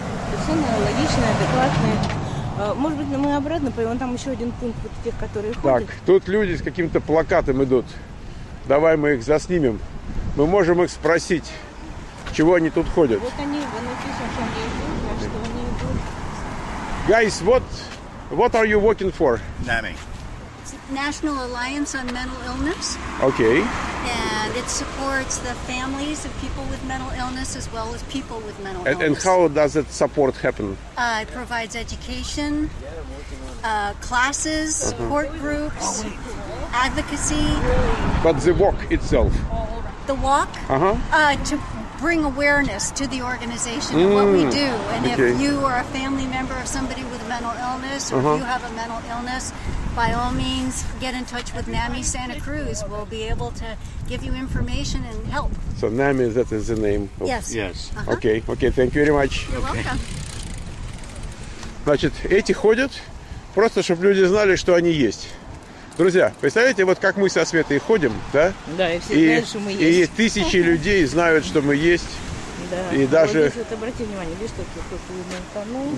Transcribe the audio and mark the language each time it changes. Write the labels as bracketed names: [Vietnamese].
[Russian] Совершенно логичные, адекватные. Может быть, мы обратно поймем, там еще один пункт вот тех, которые ходят. Так, тут люди с каким-то плакатом идут. Давай мы их заснимем. Мы можем их спросить, чего они тут ходят. Вот они, вон эти, что они идут, а что они идут. [English] Guys, what are you working for? NAMI. National Alliance on Mental Illness. Okay. And it supports the families of people with mental illness as well as people with mental illness. And how does that support happen? It provides education, classes, support groups, advocacy. But the walk itself? The walk? Uh-huh. To bring awareness to the organization and what we do. And okay. If you are a family member of somebody with a mental illness or if you have a mental illness, by all means, get in touch with NAMI Santa Cruz. We'll be able to give you information and help. So NAMI, that is the name? Yes. Yes. Uh-huh. Okay, thank you very much. You're welcome. [Russian] Значит, эти ходят, просто чтобы люди знали, что они есть. Друзья, представляете, вот как мы со Светой ходим, да? Да, и все знают, что мы есть. И тысячи людей знают, что мы есть. Да. И даже... Вот, обратите внимание, видишь, что кто-то видно утонул.